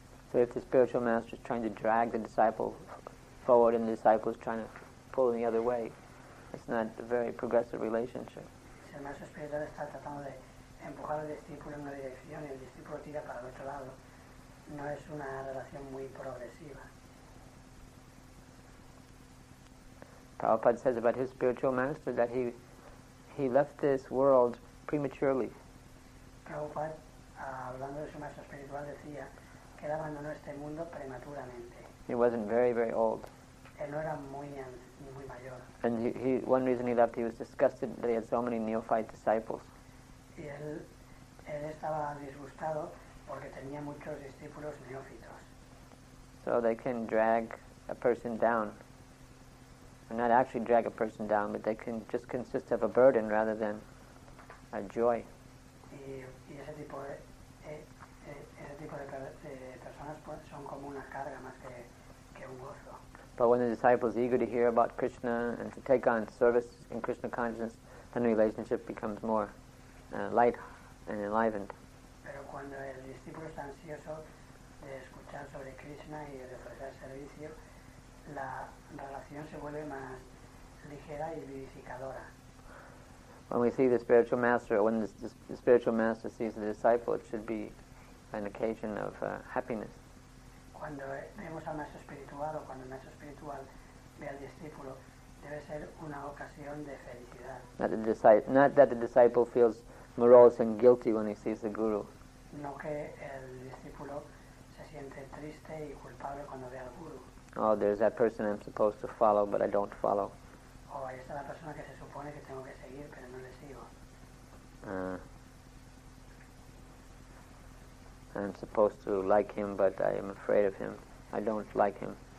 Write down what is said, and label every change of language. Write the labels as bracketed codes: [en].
[en] So if the spiritual master is trying to drag the disciple forward and the disciple is trying to pull in the other way, it's not a very progressive relationship. [es] Si el maestro espiritual está tratando de empujar al discípulo en una dirección y el discípulo tira para el otro lado, no es una relación muy progresiva. [en] Prabhupada says about his spiritual master that he left this world prematurely. [es] Prabhupada, hablando de su maestro espiritual, decía que él abandonó este mundo prematuramente. [en] He wasn't very, very old. [es] Él no era muy anciano. [en] And he, one reason he left, he was disgusted that he had so many neophyte disciples. [es] Y él estaba disgustado porque tenía muchos discípulos neófitos. [en] So they can drag a person down. Or not actually drag a person down, but they can just consist of a burden rather than a joy. [es] Y ese tipo de personas son como una carga más que un gozo. [en] But when the disciple is eager to hear about Krishna and to take on service in Krishna consciousness, then the relationship becomes more light and enlivened. [es] Pero cuando el discípulo está ansioso de escuchar sobre Krishna y de ofrecer servicio, la relación se vuelve más ligera y vivificadora. [en] When we see the spiritual master, or when the spiritual master sees the disciple, it should be an occasion of happiness. [es] Cuando vemos al maestro espiritual o cuando el maestro espiritual ve al discípulo, debe ser una ocasión de felicidad. [en] Not that the disciple feels morose and guilty when he sees the guru. [es] No que el discípulo se siente triste y culpable cuando ve al guru. [en] Oh, there's that person I'm supposed to follow, but I don't follow. [es] Oh, ahí está la persona que se supone que tengo que seguir, pero no le sigo. [en] I'm supposed to like him, but I am afraid of him. I don't like him.